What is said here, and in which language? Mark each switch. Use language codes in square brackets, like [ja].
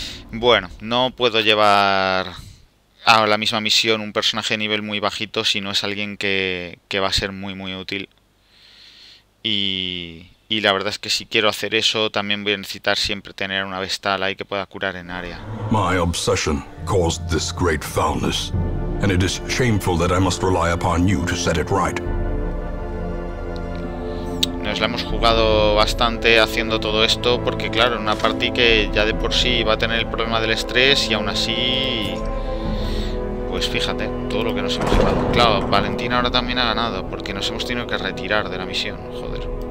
[es] Bueno, no puedo llevar a la misma misión un personaje de nivel muy bajito si no es alguien que va a ser muy muy útil. Y la verdad es que si quiero hacer eso, también voy a necesitar siempre tener una Vestal ahí que pueda curar en área. [en] My obsession caused this great foulness, and it is shameful that I must rely upon you to set it right. [es] Nos la hemos jugado bastante haciendo todo esto, porque claro, una party que ya de por sí va a tener el problema del estrés y aún así... Pues fíjate, todo lo que nos hemos llevado. Claro, Valentina ahora también ha ganado, porque nos hemos tenido que retirar de la misión, joder.